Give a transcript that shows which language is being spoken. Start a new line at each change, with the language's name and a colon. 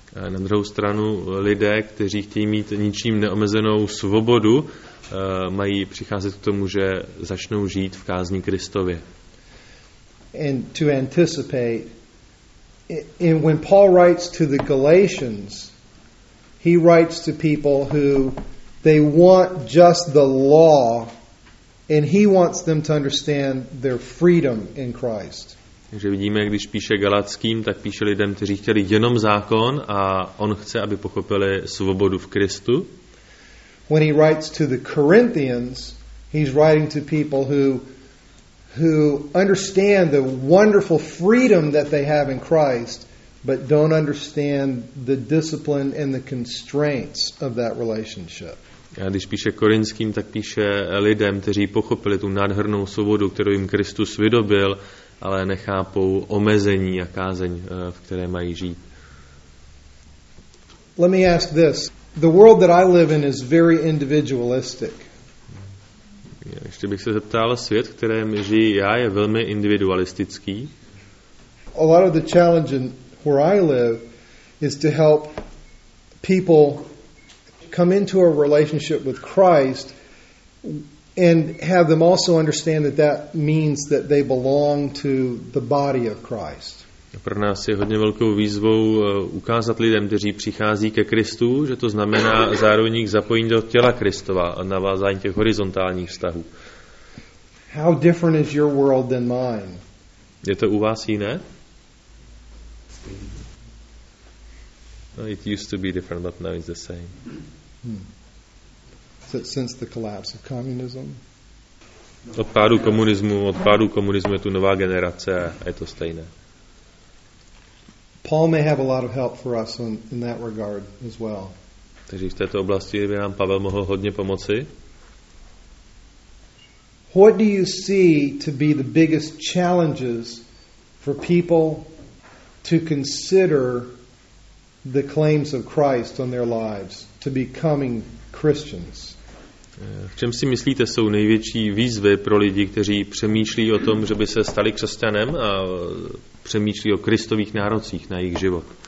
Czech: A na druhou stranu lidé, kteří chtějí mít ničím neomezenou svobodu, mají přicházet k tomu, že začnou žít v kázni Kristově.
English: And to anticipate, and when Paul writes to the Galatians, he writes to people who they want just the law, and he wants them to understand their freedom in Christ.
Czech: Takže vidíme, když píše Galackým, tak píše lidem, kteří chtěli jenom zákon, a on chce, aby pochopili svobodu v Kristu.
English: When he writes to the Corinthians, he's writing to people who understand the wonderful freedom that they have in Christ, but don't understand the discipline and the constraints of that relationship.
Czech: A když píše Korinským, tak píše lidem, kteří pochopili tu nádhernou svobodu, kterou jim Kristus vydobil, ale nechápou omezení a kázeň, v které mají žít.
English: Let me ask this. The world that I live in is very individualistic.
Czech: Ještě bych se zeptal, svět, v kterém žiji já, je velmi individualistický.
English: A lot of the challenge in where I live is to help people come into a relationship with Christ and have them also understand that that means that they belong to the body of Christ.
Czech: Pro nás je hodně velkou výzvou ukázat lidem, kteří přichází ke Kristu, že to znamená zároveň jich zapojení do těla Kristova a navázání těch horizontálních vztahů.
English: How different is your world than mine?
Czech: Je to u vás jiné?
English: No, it used to be different, but now it's the same. Hmm. Since the collapse of communism?
Czech: Od pádu komunismu je tu nová generace a je to stejné.
English: Paul may have a lot of help for us in that regard as well.
Czech: Takže v této oblasti by nám Pavel mohl hodně pomoci.
English: What do you see to be the biggest challenges for people to consider the claims of Christ on their lives, to becoming Christians?
Czech: V čem si myslíte, jsou největší výzvy pro lidi, kteří přemýšlí o tom, že by se stali křesťanem a přemýšlí o Kristových nárocích na jejich život?